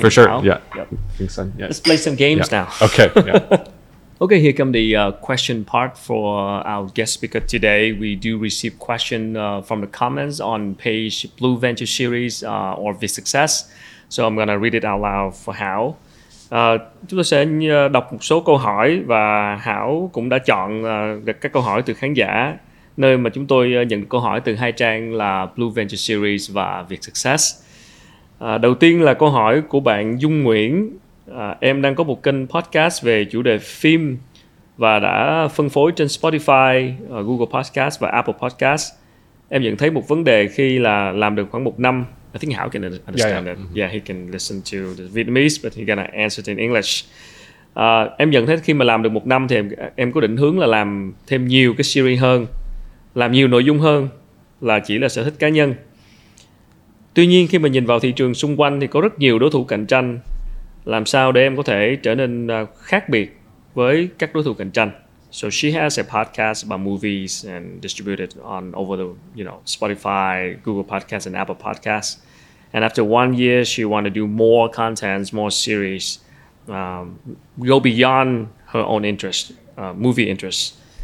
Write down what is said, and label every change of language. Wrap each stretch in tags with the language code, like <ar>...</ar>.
<en>For sure. Now. Yeah. Yep. Thanks, son. Let's play some games now. Okay. Yeah. Okay. Here come the question part for our guest speaker today. We do receive question from the comments on page Blue Venture Series or VSuccess. So I'm going to read it out loud for Hao.</en> <vi>Chúng tôi sẽ đọc một số câu hỏi và Hảo cũng đã chọn các câu hỏi từ khán giả, nơi mà chúng tôi nhận được câu hỏi từ hai trang là Blue Venture Series và VSuccess. Đầu tiên là câu hỏi của bạn Dung Nguyễn. Em đang có một kênh podcast về chủ đề phim và đã phân phối trên Spotify, Google Podcast và Apple Podcast. Em nhận thấy một vấn đề khi là làm được khoảng một năm.</vi> <en>I think Hao can understand that. Mm-hmm. Yeah, he can listen to the Vietnamese, but he's gonna answer it in English.</en> <vi>Em nhận thấy khi mà làm được một năm thì em có định hướng là làm thêm nhiều cái series hơn, làm nhiều nội dung hơn là chỉ là sở thích cá nhân. Tuy nhiên khi mà nhìn vào thị trường xung quanh thì có rất nhiều đối thủ cạnh tranh. Làm sao để em có thể trở nên khác biệt với các đối thủ cạnh tranh?</vi> <en>So she has a podcast about movies and distributed on over the, you know, Spotify, Google Podcasts, and Apple Podcasts. And after 1 year, she wanted to do more contents, more series, go beyond her own interest, movie interest.</en>